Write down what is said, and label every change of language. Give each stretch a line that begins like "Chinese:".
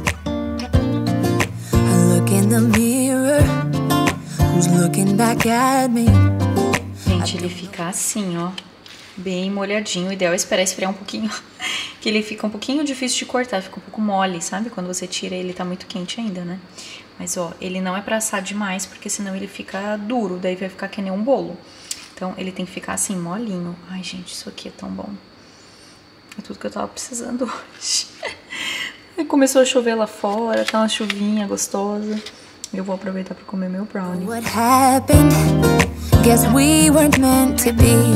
English: I look in the mirror, who's looking back at me.
Portuguese: Gente, ele fica assim, ó. Bem molhadinho, o ideal é esperar esfriar um pouquinho, que ele fica um pouquinho difícil de cortar, fica um pouco mole, sabe? Quando você tira ele tá muito quente ainda, né? Mas ó, ele não é pra assar demais, porque senão ele fica duro, daí vai ficar que nem um bolo. Então ele tem que ficar assim, molinho. Ai gente, isso aqui é tão bom. É tudo que eu tava precisando hoje. Aí começou a chover lá fora, tá uma chuvinha gostosa. Eu vou aproveitar pra comer meu brownie.
English: What happened? Guess we weren't meant to be.